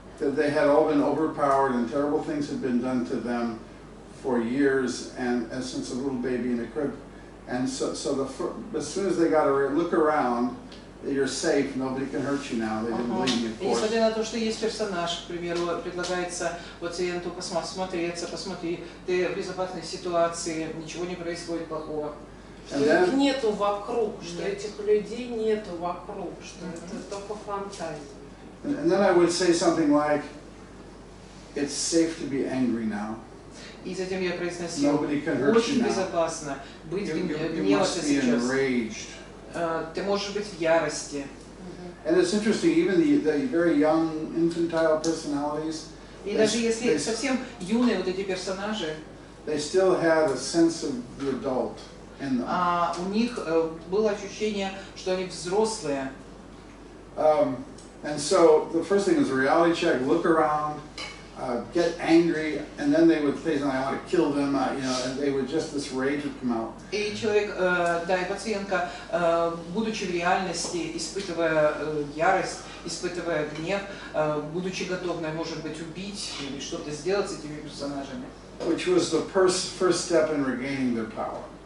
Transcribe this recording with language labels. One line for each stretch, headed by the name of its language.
English: That they had all been overpowered and terrible things had been done to them for years and since a little baby in a crib. And as soon as they got a look around, you're safe, nobody can hurt you now, they didn't blame you for it.
Russian: Несмотря на то, что есть персонаж, к примеру, предлагается пациенту посмотри, ты в безопасной ситуации, ничего не происходит плохого. Что их нету вокруг, что этих людей нету вокруг, что это только фантазия.
English: And then I would say something like, it's safe to be angry now. Nobody can hurt you now.
Russian: Безопасно.
English: You must be enraged.
Russian: Ты можешь быть в ярости.
English: And it's interesting, even the very young, infantile personalities,
Russian: и даже если совсем юные вот эти персонажи,
English: they still had a sense of the adult in them.
Russian: У них было ощущение, что они взрослые.
English: And so the first thing is a reality check, look around, get angry, and then they would say, I want to kill them, you know, and they would just, this rage would come out.
Russian: И человек, да, и пациентка, будучи в реальности, испытывая ярость, испытывая гнев, будучи готовной, может быть, убить или что-то сделать с этими персонажами.
English: Which was the first step in regaining their power.